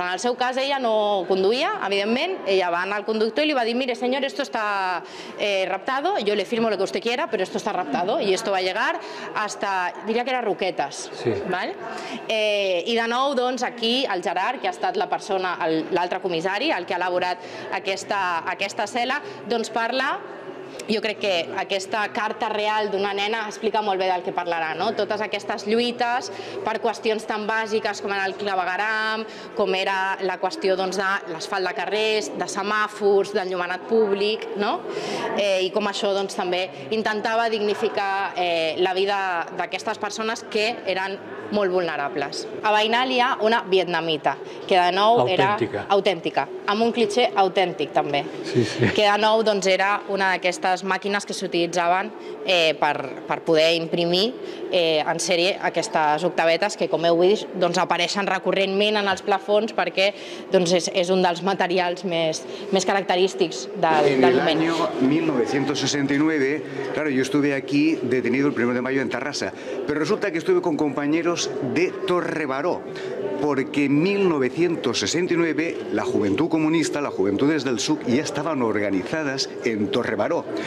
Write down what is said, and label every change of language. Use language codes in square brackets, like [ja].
[ca] En el seu cas ella no conduïa, evidentment, ella va anar al conductor i li va dir: [es] mire, senyor, esto está raptado, yo le firmo lo que usted quiera, pero esto está raptado, y esto va a llegar hasta, [ca] diria que era Roquetes. Sí. ¿Vale? I de nou, doncs, aquí el Gerard, que ha estat la persona, l'altre comissari, el que ha elaborat aquesta cel·la, doncs parla. Jo crec que aquesta carta real d'una nena explica molt bé del que parlarà, no? Totes aquestes lluites per qüestions tan bàsiques com era el clavegueram, com era la qüestió doncs, de l'asfalt de carrers, de semàfors, d'enllumenat públic, no? I com això doncs, també intentava dignificar la vida d'aquestes persones que eren molt vulnerables. A Veïnal hi ha una vietnamita, que de nou era autèntica, amb un cliché autèntic també, sí. Que de nou doncs, era una d'aquestes màquines que s'utilitzaven per poder imprimir en sèrie aquestes octavetes que, com heu vist, doncs, apareixen recurrentment en els plafons perquè doncs, és un dels materials més característics del moment. [es] En el 1969, claro, yo estuve aquí detenido el 1 de mayo en Terrassa, pero resulta que estuve con compañeros de Torrebaró, porque en 1969 la juventud comunista, las juventudes del SUC, ya estaban organizadas en Torrebaró.